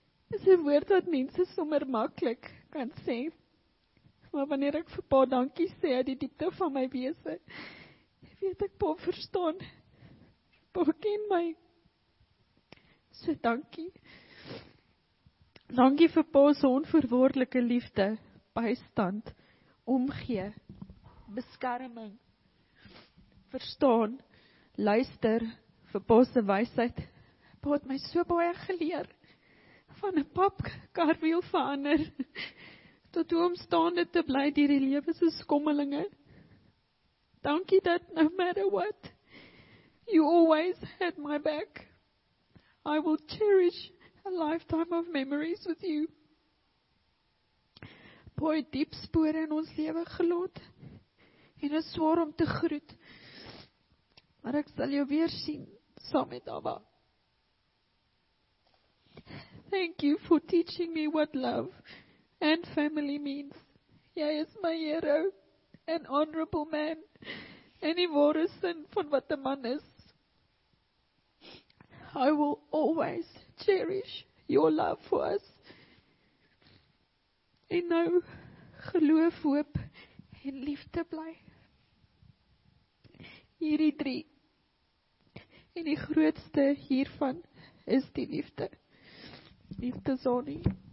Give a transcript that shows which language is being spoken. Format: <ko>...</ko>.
<af>Is een woord wat mense sommer makkelijk kan sê. Maar wanneer ek vir Pa dankie sê uit die diepte van my wese, weet ek Pa verstaan. Pa ken my. So dankie. Dankie vir Pa se onvoorwaardelike liefde, bystand, omgee, beskerming, verstaan, luister vir Pa se wysheid. Pa het my so baie geleer. Van een papkarwiel verander, tot hoe om staande te bly dier die lewe skommelinge. Dankie dat,</af> <en>no matter what, you always had my back. I will cherish a lifetime of memories with you.</en> <af>Pa het diep spore in ons lewe gelaat, en is swaar om te groet, maar ek sal jou weer sien, saam met Abba.</af> <en>Thank you for teaching me what love and family means.</en> <af>Jy is my hero,</af> <en>an honorable man,</en> <af>en die ware sin van wat 'n man is.</af> <en>I will always cherish your love for us.</en> <af>En nou geloof, hoop en liefde bly. Hierdie drie. En die grootste hiervan is die liefde. Liefde Zoni.</af>